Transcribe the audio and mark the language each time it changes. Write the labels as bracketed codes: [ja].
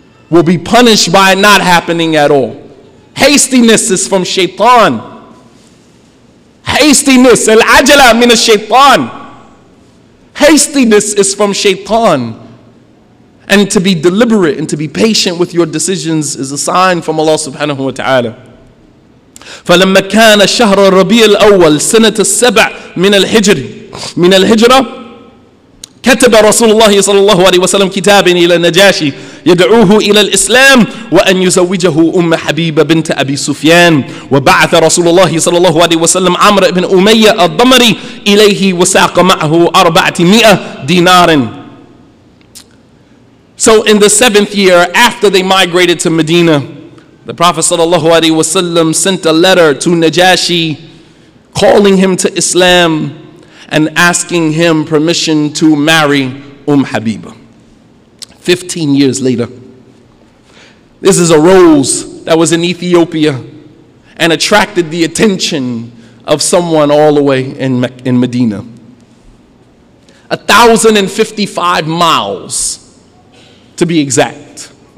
[en] Will be punished by it not happening at all. Hastiness is from shaitan. Hastiness, [ar] الْعَجَلَ مِنَ الشَّيْطَانِ [en] Hastiness is from shaitan. And to be deliberate and to be patient with your decisions is a sign from Allah subhanahu wa ta'ala. [ar] فلما كان شهر ربيع الأول سنة السبع من الهجرة كتب رسول الله صلى الله عليه وسلم كتابا إلى النجاشي يدعوه إلى الإسلام وأن يزوجه حبيبة بنت أبي سفيان وبعث رسول الله صلى الله عليه وسلم عمرو بن أمية الضمري إليه وساق معه 400 دينار [en] So in the seventh year after they migrated to Medina, the Prophet sallallahu alaihi wasallam sent a letter to Najashi calling him to Islam and asking him permission to marry Habeebah. 15 years later. This is a rose that was in Ethiopia and attracted the attention of someone all the way in Medina. 1,055 miles, to be exact.